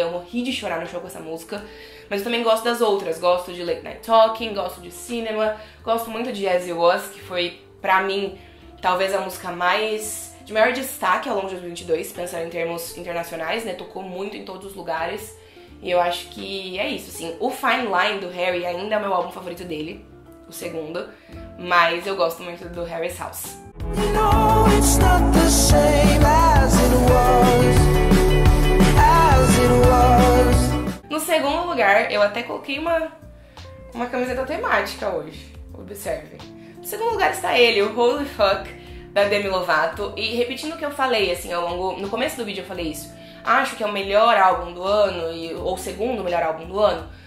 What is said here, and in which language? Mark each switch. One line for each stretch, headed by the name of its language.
Portuguese: Eu morri de chorar no show com essa música, mas eu também gosto das outras, gosto de Late Night Talking, gosto de Cinema, gosto muito de As It Was, que foi, pra mim, talvez a música mais, de maior destaque ao longo de 2022, pensando em termos internacionais, né, tocou muito em todos os lugares, e eu acho que é isso, assim, o Fine Line do Harry ainda é o meu álbum favorito dele, o segundo, mas eu gosto muito do Harry's House.
English: No, it's not the same as it was, as it was.
Portuguese: No segundo lugar, eu até coloquei uma camiseta temática hoje, observe. No segundo lugar está ele, o Holy Fuck, da Demi Lovato. E repetindo o que eu falei, assim, no começo do vídeo eu falei isso. Acho que é o melhor álbum do ano, ou o segundo melhor álbum do ano.